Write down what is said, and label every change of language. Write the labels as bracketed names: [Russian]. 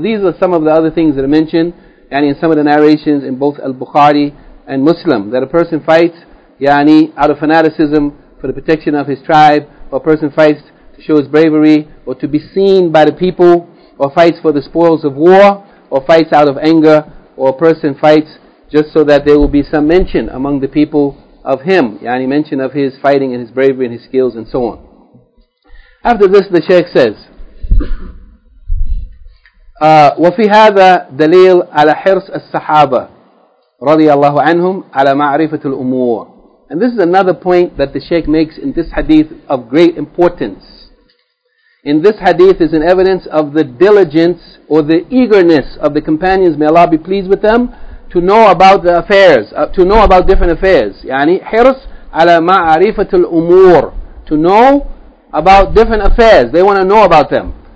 [English] These are some of the other things that are mentioned yani, in some of the narrations in both Al-Bukhari and Muslim, that a person fights yani, out of fanaticism for the protection of his tribe, or a person fights to show his bravery or to be seen by the people, or fights for the spoils of war, or fights out of anger, or a person fights just so that there will be some mention among the people of him, yani mention of his fighting and his bravery and his skills and so on. After this, the Shaykh says, [Arabic] وَفِي هَذَا دَلِيلٌ عَلَى حِرْصِ الصَّحَابَةِ رَضِيَ اللَّهُ عَنْهُمْ عَلَى مَعْرِفَةِ الْأُمُورِ. [English] And this is another point that the Shaykh makes in this hadith of great importance. In this hadith is an evidence of the diligence or the eagerness of the companions, may Allah be pleased with them, to know about the affairs, to know about different affairs. Yani [Arabic] hirs ala ma'arifatul umur, [English] to know about different affairs. They want to know about them.